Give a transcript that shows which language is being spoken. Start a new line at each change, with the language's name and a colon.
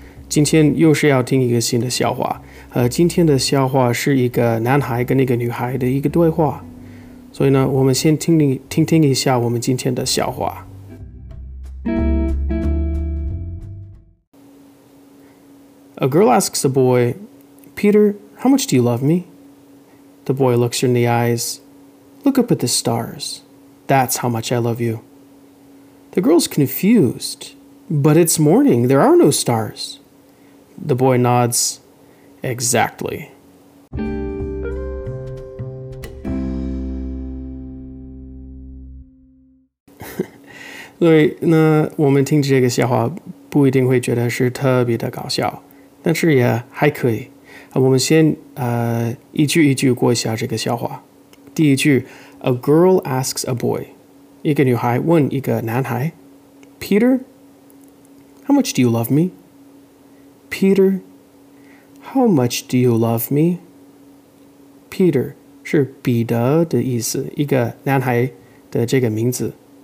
Chinese: 今天又是要听一个新的笑话。今天的笑话是一个男孩跟一个女孩的一个对话。所以呢，我们先听听一下我们今天的笑话。
English: A girl asks a boy, Peter, how much do you love me? The boy looks her in the eyes. Look up at the stars. That's how much I love you. The girl's confused. But it's morning. There are no stars. The boy nods. Exactly.
Chinese: So, 那我们听这个笑话不一定会觉得是特别的搞笑，但是也还可以。我们先一句一句过一下这个笑话。第一句
English: ，A girl asks a boy.
Chinese: 一个女孩问一个男孩 ，Peter.
English: How much do you love me? Peter, how much do you love me?
Chinese: Peter 是彼得的意思，一个男孩的这个名字。